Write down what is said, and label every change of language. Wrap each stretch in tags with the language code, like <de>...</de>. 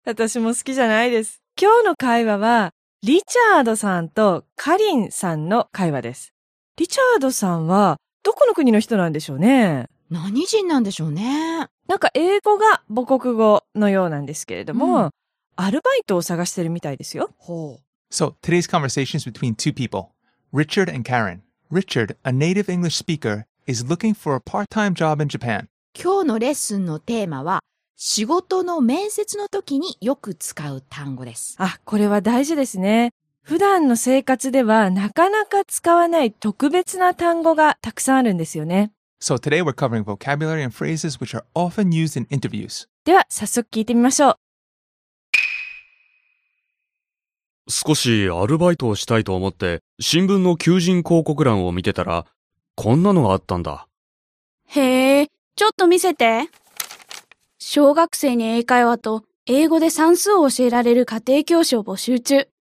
<ja>私も好きじゃないです。今日の会話はリチャードさんとカリンさんの会話です。リチャードさんはどこの国の人なんでしょうね。何人なんでしょうね。なんか英語が母国語のようなんですけれども、うん、アルバイトを探してるみたいですよ。ほう。</ja> <en>So, today's conversation is between two people, Richard and Karen. Richard, a native English speaker, is looking for a part-time job in Japan.</en> <ja>今日のレッスンのテーマは、仕事の面接の時によく使う単語です。あ、これは大事ですね。普段の生活ではなかなか使わない特別な単語がたくさんあるんですよね。</ja> <en>So, today we're covering vocabulary and phrases which are often used in interviews.</en> <ja>では、早速聞いてみましょう。少しアルバイトをしたいと思って新聞の求人広告欄を見てたらこんなのがあったんだ。へえ、ちょっと見せて。小学生に英会話と英語で算数を教えられる家庭教師を募集中。</ja>